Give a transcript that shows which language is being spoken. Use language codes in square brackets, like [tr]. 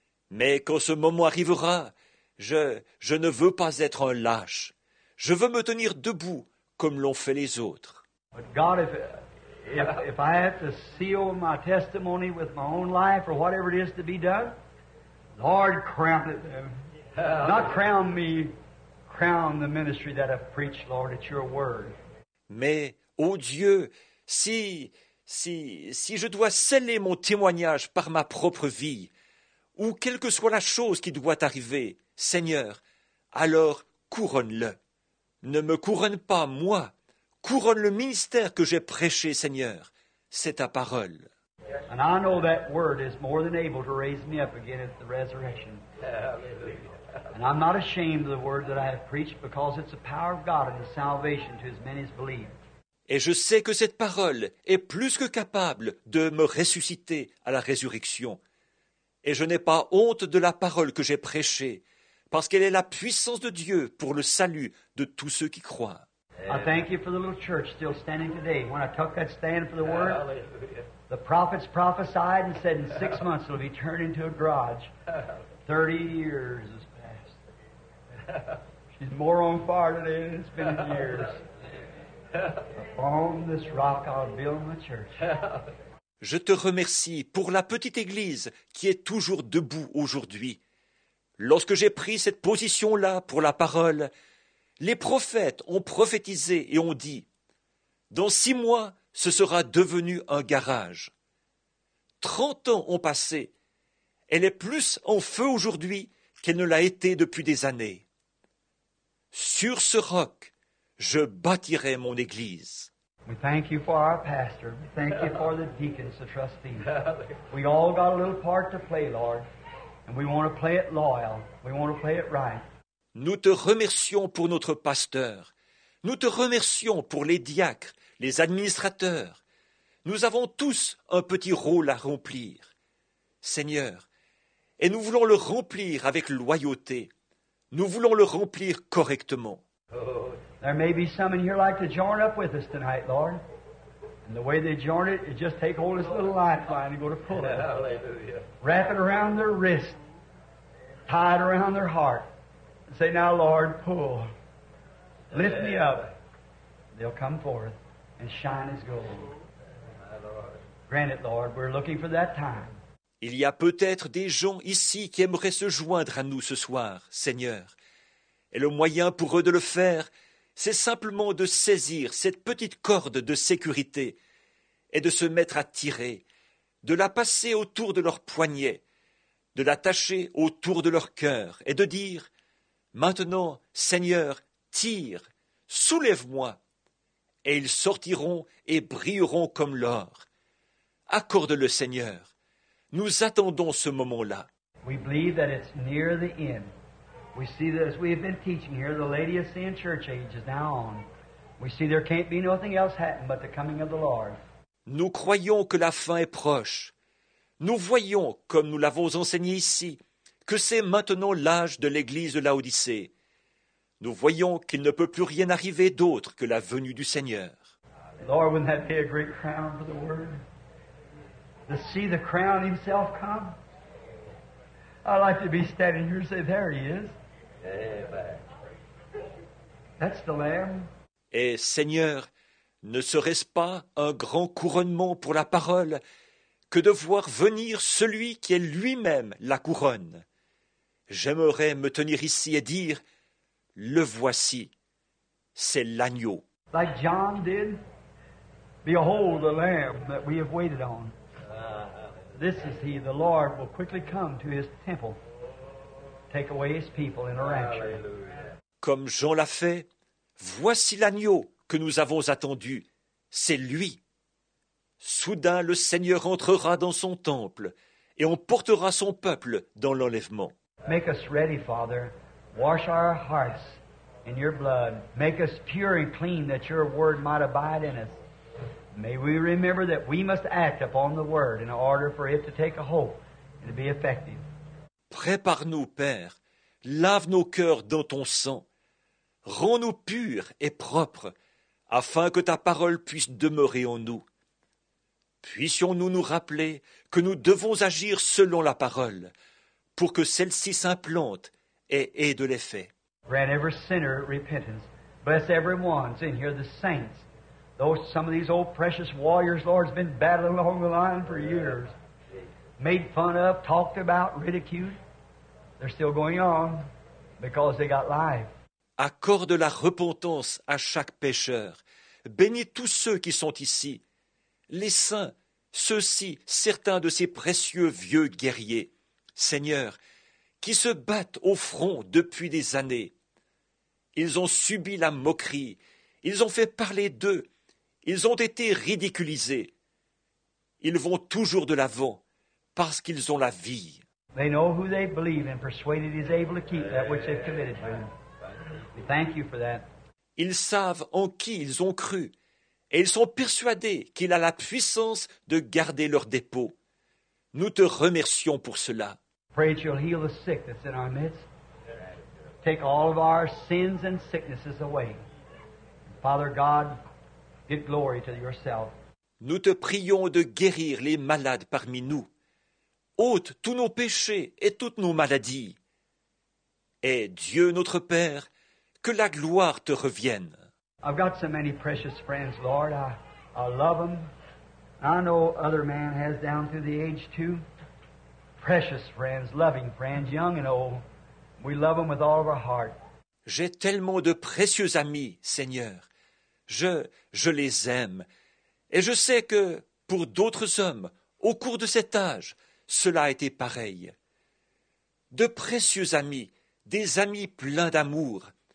[fr] Mais quand ce moment arrivera, je ne veux pas être un lâche. Je veux me tenir debout comme l'ont fait les autres. [en] But God, if I have to seal my testimony with my own life or whatever it is to be done, Lord, crown it, not crown me. Crown the ministry that I've preached, Lord, at your word. [fr] Mais, ô Dieu, si je dois sceller mon témoignage par ma propre vie, ou quelle que soit la chose qui doit arriver, Seigneur, alors couronne-le. Ne me couronne pas, moi. Couronne le ministère que j'ai prêché, Seigneur. C'est ta parole. [en] And I know that word is more than able to raise me up again at the resurrection. And I'm not ashamed of the word that I have preached because it's the power of God and the salvation to as many as believe. [fr] Et je sais que cette parole est plus que capable de me ressusciter à la résurrection. Et je n'ai pas honte de la parole que j'ai prêchée parce qu'elle est la puissance de Dieu pour le salut de tous ceux qui croient. [en] I thank you for the little church still standing today. When I took that stand for the word, the prophets prophesied and said in 6 months it'll be turned into a garage. 30 years. She's more on fire today than it's been in years. Upon this rock I'll build my church. [fr] Je te remercie pour la petite église qui est toujours debout aujourd'hui. Lorsque j'ai pris cette position-là pour la parole, les prophètes ont prophétisé et ont dit, « Dans 6 mois, ce sera devenu un garage. » 30 ans ont passé. Elle est plus en feu aujourd'hui qu'elle ne l'a été depuis des années. Sur ce roc, je bâtirai mon église. [en] We thank you for our pastor. We thank you for the deacons, the trustees. We all got a little part to play, Lord. And we want to play it loyal. We want to play it right. [fr] Nous te remercions pour notre pasteur. Nous te remercions pour les diacres, les administrateurs. Nous avons tous un petit rôle à remplir. Seigneur, et nous voulons le remplir avec loyauté. Nous voulons le remplir correctement. [en] There may be some in here like to join up with us tonight, Lord. And the way they join it is just take hold of this little lifeline and go to pull it. Hallelujah. Wrap it around their wrist. Tie it around their heart. And say, now, Lord, pull. Lift me up. They'll come forth and shine as gold. Grant it, Lord. We're looking for that time. [fr] Il y a peut-être des gens ici qui aimeraient se joindre à nous ce soir, Seigneur. Et le moyen pour eux de le faire, c'est simplement de saisir cette petite corde de sécurité et de se mettre à tirer, de la passer autour de leur poignet, de l'attacher autour de leur cœur et de dire « Maintenant, Seigneur, tire, soulève-moi !» Et ils sortiront et brilleront comme l'or. Accorde-le, Seigneur. Nous attendons ce moment-là. [en] We believe that it's near the end. We see that as we have been teaching here, the lady is seeing church age is now on. We see there can't be nothing else happen but the coming of the Lord. [fr] Nous croyons que la fin est proche. Nous voyons, comme nous l'avons enseigné ici, que c'est maintenant l'âge de l'église de Laodicée. Nous voyons qu'il ne peut plus rien arriver d'autre que la venue du Seigneur. [en] Lord, wouldn't that be a great crown for the word? To see the crown himself come? I'd like to be standing here and say, there he is. That's the Lamb. [fr] Et Seigneur, ne serait-ce pas un grand couronnement pour la parole que de voir venir celui qui est lui-même la couronne? J'aimerais me tenir ici et dire, le voici, c'est l'agneau. [en] Like John did, behold the Lamb that we have waited on. This is he, the Lord will quickly come to his temple, take away his people in a rapture. [fr] Comme Jean l'a fait, voici l'agneau que nous avons attendu, c'est lui. Soudain le Seigneur entrera dans son temple et on portera son peuple dans l'enlèvement. [en] Make us ready, Father. Wash our hearts in your blood. Make us pure and clean that your word might abide in us. May we remember that we must act upon the word in order for it to take a hold and to be effective. [fr] Prépare-nous, Père. Lave nos cœurs dans ton sang. Rends-nous purs et propres, afin que ta parole puisse demeurer en nous. Puissions-nous nous rappeler que nous devons agir selon la parole, pour que celle-ci s'implante et ait de l'effet. [en] Grant every sinner repentance. Bless everyone in here, the saints. Those some of these old precious warriors, Lord, have been battling along the line for years. Made fun of, talked about, ridiculed. They're still going on because they got life. [fr] Accorde la repentance à chaque pécheur. Bénis tous ceux qui sont ici. Les saints, ceux-ci, certains de ces précieux vieux guerriers, Seigneur, qui se battent au front depuis des années. Ils ont subi la moquerie. Ils ont fait parler d'eux. Ils ont été ridiculisés. Ils vont toujours de l'avant parce qu'ils ont la vie. [en] They know who they believe and persuaded is able to keep that which they've committed to. We thank you for that. [fr] Ils savent en qui ils ont cru et ils sont persuadés qu'il a la puissance de garder leur dépôt. Nous te remercions pour cela. [en] Pray that you'll heal the sick that's in our midst. Take all of our sins and sicknesses away. Father God, give glory to yourself. [fr] Nous te prions de guérir les malades parmi nous. Ôte tous nos péchés et toutes nos maladies. Et Dieu notre Père, que la gloire te revienne. [en] I've got so many precious friends, Lord. I love them. I know other man has down through the age too. Precious friends, loving friends, young and old. We love them with all of our heart. [fr] J'ai tellement de précieux amis, Seigneur. Je les aime. Et je sais que, pour d'autres hommes, au cours de cet âge, cela a été pareil. De précieux amis, des amis pleins d'amour,